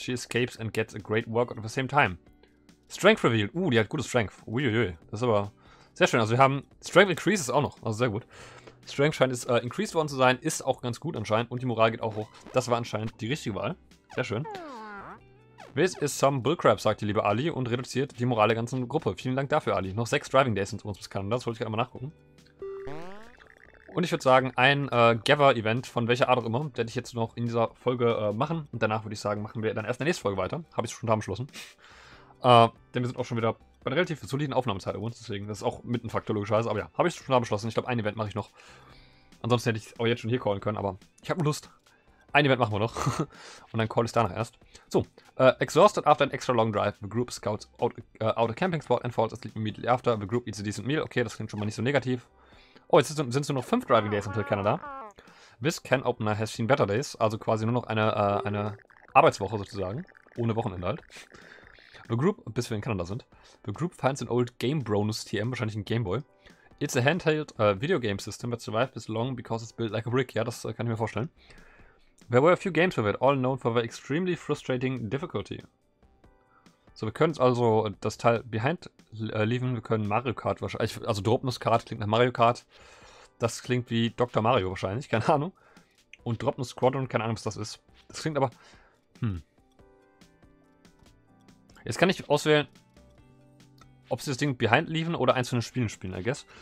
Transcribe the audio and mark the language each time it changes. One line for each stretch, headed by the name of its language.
English: She escapes and gets a great workout at the same time. Strength revealed.
German: Die hat gute Strength. Uiuiui. Das ist aber sehr schön. Also wir haben Strength increases auch noch. Also sehr gut. Strength scheint es increased worden zu sein. Ist auch ganz gut anscheinend. Und die Moral geht auch hoch. Das war anscheinend die richtige Wahl. Sehr schön.
English: This is some bullcrap,
German: sagt die liebe Ali und reduziert die Moral der ganzen Gruppe. Vielen Dank dafür, Ali. Noch 6 Driving Days sind uns bis Kanada. Das wollte ich gerade mal nachgucken. Und ich würde sagen, ein Gather-Event von welcher Art auch immer, werde ich jetzt noch in dieser Folge machen. Und danach würde ich sagen, machen wir dann erst in der nächsten Folge weiter. Habe ich schon da beschlossen. Denn wir sind auch schon wieder bei einer relativ soliden Aufnahmezeit übrigens. Deswegen, das ist auch mit einem Faktor logischerweise. Aber ja, habe ich schon da beschlossen. Ich glaube, ein Event mache ich noch. Ansonsten hätte ich auch jetzt schon hier callen können. Aber ich habe Lust. Ein Event machen wir noch. Und dann call ich danach erst. So.
English: Exhausted after an extra long drive, the group scouts out a camping spot and falls asleep immediately after. The group eats a decent meal.
German: Okay, das klingt schon mal nicht so negativ. Oh, jetzt sind es nur noch 5 Driving Days
English: until Canada. This can opener has seen better days.
German: Also quasi nur noch eine Arbeitswoche sozusagen. Ohne Wochenende halt.
English: The group,
German: bis wir in Kanada sind.
English: The group finds an old Game Bronus TM,
German: wahrscheinlich ein Gameboy.
English: It's a handheld video game system that survived this long because it's built like a brick.
German: Ja, das kann ich mir vorstellen.
English: There were a few games with it, all known for their extremely frustrating difficulty.
German: So, wir können jetzt also das Teil behind leaven. Wir können Mario Kart wahrscheinlich, also Dropnus Kart klingt nach Mario Kart. Das klingt wie Dr. Mario wahrscheinlich, keine Ahnung. Und Dropnus Squadron, keine Ahnung, was das ist. Das klingt aber, jetzt kann ich auswählen, ob sie das Ding behind leaven oder eins von den Spielen spielen,
English: I guess.